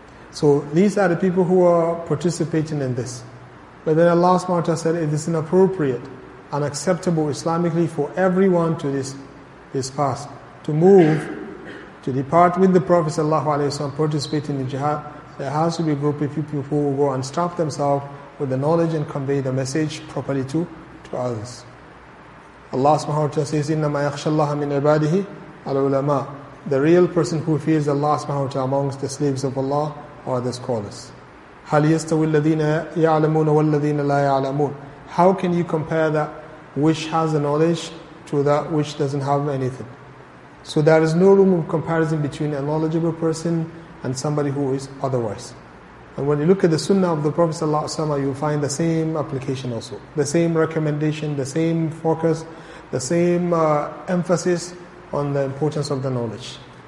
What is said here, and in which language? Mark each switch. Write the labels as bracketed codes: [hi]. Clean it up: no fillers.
[en] So these are the people who are participating in this. But then Allah subhanahu wa ta'ala said, it is inappropriate and acceptable Islamically for everyone to this path, to move, to depart with the Prophet sallallahu alayhi wa sallam participating in jihad. There has to be a group of people who will go and staff themselves with the knowledge and convey the message properly to others. Allah subhanahu wa ta'ala says, [ar] إِنَّمَا يَخْشَ اللَّهَ مِنْ عِبَادِهِ الْعُلَمَاءِ. [en] The real person who fears Allah subhanahu wa ta'ala amongst the slaves of Allah are the scholars. [ar] هَلْ يَسْتَوِي الَّذِينَ يَعْلَمُونَ وَالَّذِينَ لَا يَعْلَمُونَ. [en] How can you compare that which has a knowledge to that which doesn't have anything. So there is no room of comparison between a knowledgeable person and somebody who is otherwise. And when you look at the Sunnah of the Prophet ﷺ, you'll find the same application also. The same recommendation, the same focus, the same emphasis on the importance of the knowledge.